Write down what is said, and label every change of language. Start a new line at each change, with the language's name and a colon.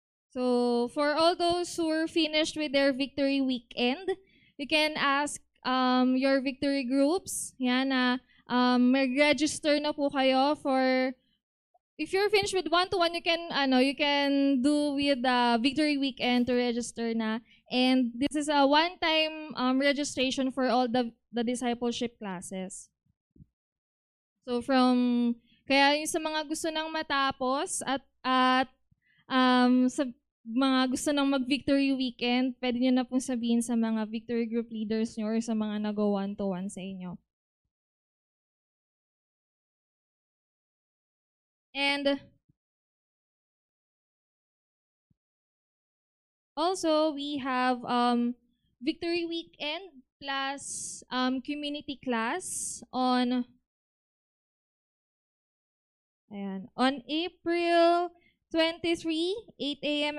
English: So for all those who are finished with their Victory Weekend, you can ask your Victory groups,
Filipino: yan na mag-register na po kayo
English: for, if you're finished with one-to-one, you can do with the Victory Weekend to register na. And this is a one-time registration for all the discipleship classes.
Filipino: So from, kaya yung sa mga gusto nang matapos at sa mga gusto ng mag-Victory Weekend, pwede nyo na pong sabihin sa mga Victory Group leaders nyo or sa mga nag-go one-to-one sa inyo.
English: And also, we have Victory Weekend plus community class on April 23, 8 a.m.